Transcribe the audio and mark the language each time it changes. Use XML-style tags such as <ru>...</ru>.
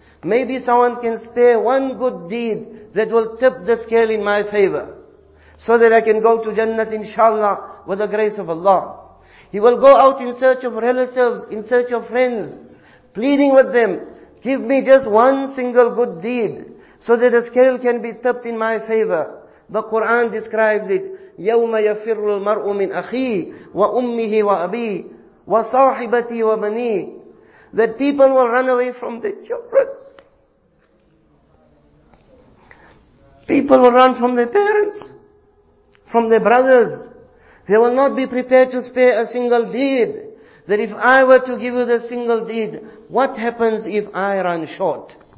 <en>Maybe someone can spare one good deed that will tip the scale in my favor, so that I can go to Jannat inshallah with the grace of Allah. He will go out in search of relatives, in search of friends, pleading with them, give me just one single good deed, so that the scale can be tipped in my favor. The Quran describes it,</en> <ar>يَوْمَ يَفِرُّ الْمَرْءُ مِنْ أَخِيهِ وَأُمِّهِ وَأَبِيهِ وَصَاحِبَتِي وَبَنِيهِ.</ar> <en>That people will run away from their children. People will run from their parents, from their brothers. They will not be prepared to spare a single deed. That if I were to give you the single deed, what happens if I run short?</en>